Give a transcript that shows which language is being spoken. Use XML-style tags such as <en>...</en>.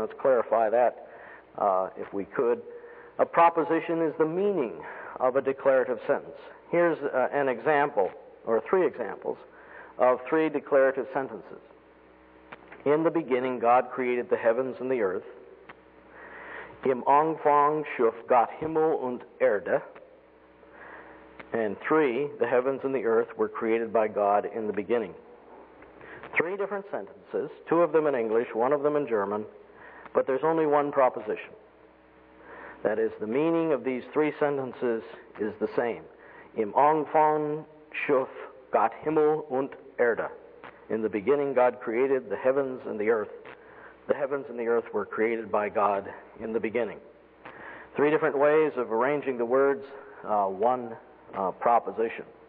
<en>Let's clarify that, if we could. A proposition is the meaning of a declarative sentence. Here's an example, or three examples, of three declarative sentences. In the beginning, God created the heavens and the earth.</en> <de>Im Anfang schuf Gott Himmel und Erde.</de> <en>And three, the heavens and the earth were created by God in the beginning. Three different sentences, two of them in English, one of them in German, but there's only one proposition. That is, the meaning of these three sentences is the same.</en> <de>Im Anfang schuf Gott Himmel und Erde.</de> <en>In the beginning, God created the heavens and the earth. The heavens and the earth were created by God in the beginning. Three different ways of arranging the words, one proposition.</en>